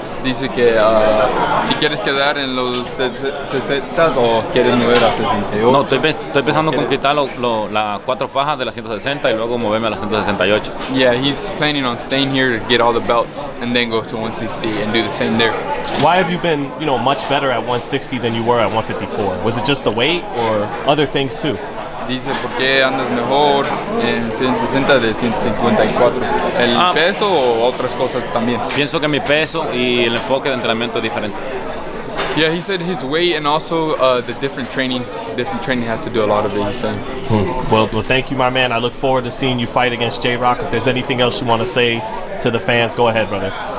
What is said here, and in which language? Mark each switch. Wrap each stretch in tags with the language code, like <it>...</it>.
<es>dice que si quieres quedar en los 60 o quieres mover a 68. No, estoy pensando en conquistar las cuatro fajas de las 160 y luego moverme a las 168.</es> <en>Yeah, he's planning on staying here to get all the belts and then go to 160 and do the same there. Why have you been, you know, much better at 160 than you were at 154? Was it just the weight or other things too?</en> <es>Dice por qué andas mejor en 160 de 154. ¿El peso o otras cosas también? Pienso que mi peso y el enfoque de entrenamiento es diferente.</es> <en>Yeah, he said his weight and also the different training. Different training has to do a lot of it, he said. Well, thank you, my man. I look forward to seeing you fight against J-Rock. If there's anything else you want to say to the fans, go ahead, brother.</en>